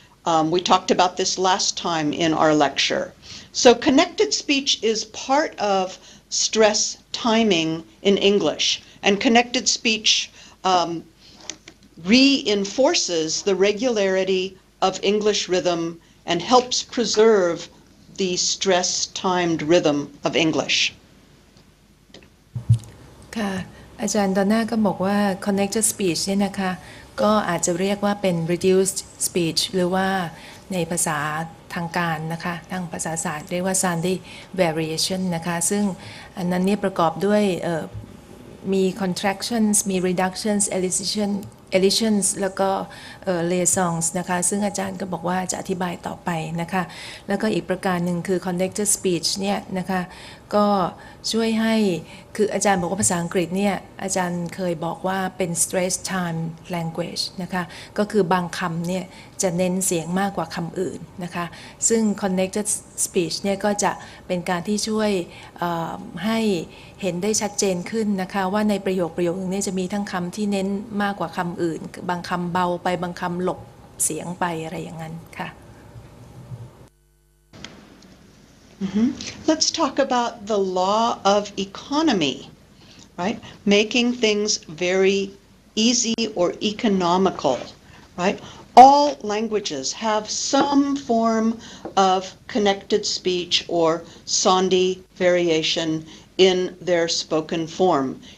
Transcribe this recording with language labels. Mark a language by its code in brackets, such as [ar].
[en] We talked about this last time in our lecture. So connected speech is part of stress timing in English. And connected speech reinforces the regularity of English rhythm and helps preserve the stress-timed rhythm of English. [th] ค่ะ อาจารย์ ดอนน่า ก็ บอกว่า connected speech เนี่ยนะคะ ก็ อาจจะ เรียกว่า เป็น reduced speech หรือว่าในภาษาทางการนะคะทางภาษาศาสตร์เรียกว่า Sandhi variation นะคะซึ่งอันนั้นเนี่ยประกอบด้วย มี contractions มี reductions elisions แล้วก็liaisons นะคะซึ่งอาจารย์ก็บอกว่าจะอธิบายต่อไปนะคะแล้วก็อีกประการหนึ่งคือ connected speech เนี่ยนะคะก็ช่วยให้คืออาจารย์บอกว่าภาษาอังกฤษเนี่ยอาจารย์เคยบอกว่าเป็น [en] stress time language [th] นะคะก็คือบางคำเนี่ยจะเน้นเสียงมากกว่าคำอื่นนะคะซึ่ง connected speech เนี่ยก็จะเป็นการที่ช่วย ให้เห็นได้ชัดเจนขึ้นนะคะว่าในประโยคนึงเนี่ยจะมีทั้งคำที่เน้นมากกว่าคำอื่นบางคำเบาไปบางคำหลบเสียงไปอะไรอย่างนั้นค่ะ Mm-hmm. [en] Let's talk about the law of economy, right? Making things very easy or economical, right? All languages have some form of connected speech or Sandhi variation in their spoken form.